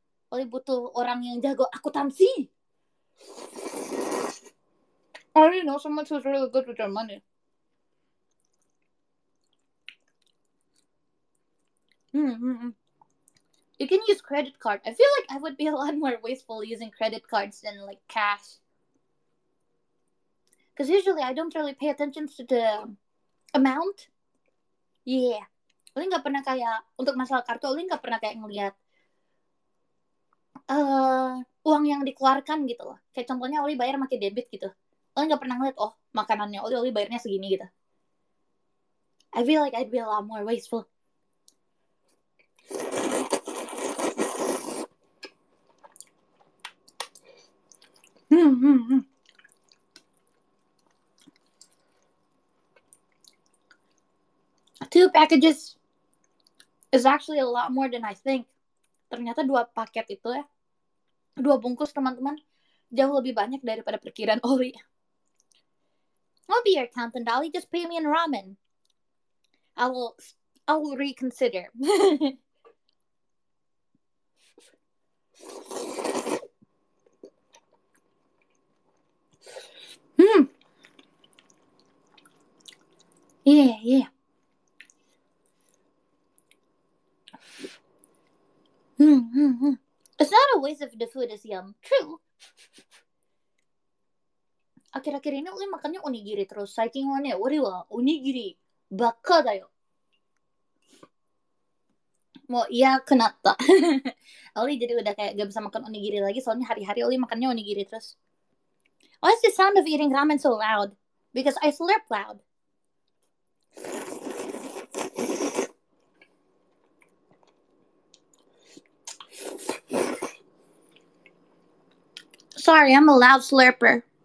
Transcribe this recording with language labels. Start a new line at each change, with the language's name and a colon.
Indonesian: Oli butuh orang yang jago akuntansi.
English: I didn't know someone who's really good with their money. You can use credit card. I feel like I would be a lot more wasteful using credit cards than like cash. Because usually I don't really pay attention to the amount.
Indonesian: Yeah. Oli gak pernah kayak, untuk masalah kartu, Oli gak pernah kayak ngeliat uang yang dikeluarkan gitu loh. Kayak contohnya Oli bayar pakai debit gitu. Oli gak pernah ngeliat, oh makanannya Oli bayarnya segini gitu.
English: I feel like I'd be a lot more wasteful. Two packages. It's actually a lot more than I think.
Indonesian: Ternyata dua paket itu ya. Dua bungkus, teman-teman. Jauh lebih banyak daripada perkiraan Oli.
English: I'll be your accountant, Dolly. Just pay me in ramen. I will reconsider. Yeah. It's not a waste if the food is yum. True.
Indonesian: Akhir-akhir ini Uli makannya onigiri terus.
Japanese: Saking wane, Uli wa onigiri baka da yo. Mo iya
Indonesian: kenapa? Uli jadi udah kayak gak bisa makan onigiri lagi. Soalnya hari-hari Uli makannya onigiri terus.
English: Why is the sound of eating ramen so loud? Because I slurp loud. Sorry, I'm a loud slurper.